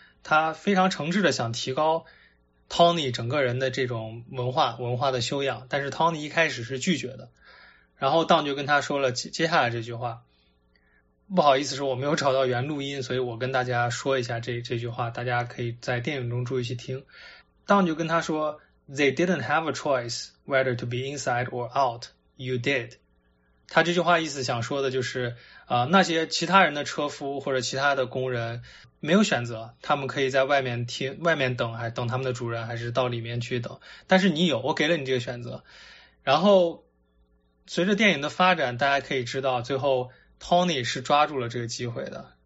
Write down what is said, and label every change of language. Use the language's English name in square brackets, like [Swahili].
[Chinese] 他非常诚挚的想提高 Tony 整个人的这种文化的修养，但是 Tony 一开始是拒绝的。然后当就跟他说了接下来这句话。不好意思，是我没有找到原录音，所以我跟大家说一下这句话，大家可以在电影中注意去听。 [English] 当就跟他说 They didn't have a choice whether to be inside or out.You did. [Chinese] 他这句话意思想说的就是那些其他人的车夫或者其他的工人没有选择，他们可以在外面听外面等，还等他们的主人，还是到里面去等，但是你有，我给了你这个选择。然后随着电影的发展，大家可以知道最后 Tony 是抓住了这个机会的。